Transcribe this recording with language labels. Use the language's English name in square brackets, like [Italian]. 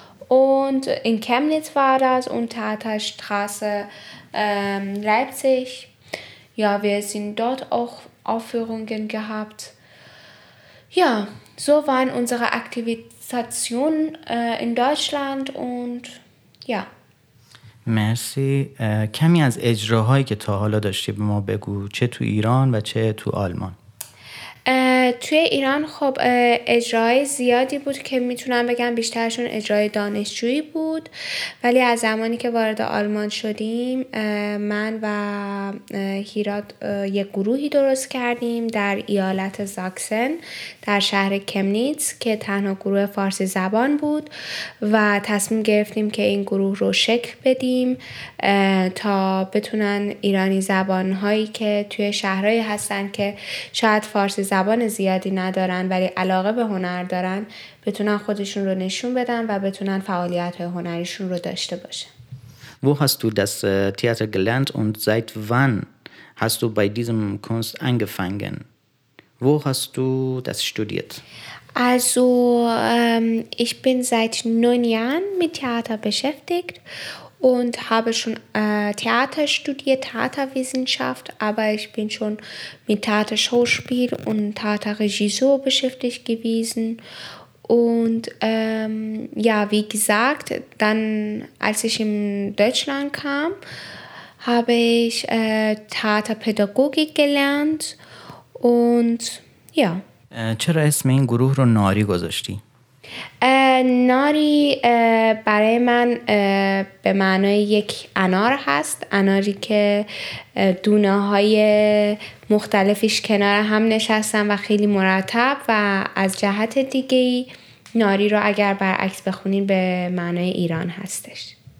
[German] Und in Chemnitz war das und Theaterstraße Leipzig. Ja, wir sind dort auch Aufführungen gehabt. Ja, so waren unsere Aktivitäten in Deutschland und ja. [Persian] مرسی. کمی از اجراهایی که تا حالا داشتی به ما بگو، چه تو ایران و چه تو آلمان. توی ایران خب اجراهای زیادی بود که میتونم بگم بیشترشون اجرای دانشجویی بود، ولی از زمانی که وارد آلمان شدیم من و هیراد یک گروهی درست کردیم در ایالت ساکسن در شهر کمنیتس که تنها گروه فارسی زبان بود و تصمیم گرفتیم که این گروه رو شکل بدیم تا بتونن ایرانی زبانهایی که توی شهرهایی هستن که شاید فارسی زبان زیادی ندارن ولی علاقه به هنر دارن بتونن خودشون رو نشون بدن و بتونن فعالیت هنریشون رو داشته باشن. [German] Wo hast du das Theater gelernt und seit wann hast du bei diesem Kunst angefangen? Wo hast du das studiert? Also ich bin seit 9 Jahren mit Theater beschäftigt und habe schon Theater studiert, Theaterwissenschaft, aber ich bin schon mit Theaterschauspiel und Theaterregisseur beschäftigt gewesen. Und ja, wie gesagt, dann als ich in Deutschland kam, habe ich Theaterpädagogik gelernt und ja. [Persian] چرا اسم این گروه رو ناری گذاشتی؟ ناری برای من به معنای یک انار هست، اناری که دونه های مختلفش کنار هم نشستن و خیلی مرتب و از جهت دیگه ناری رو اگر برعکس بخونین به معنای ایران هستش.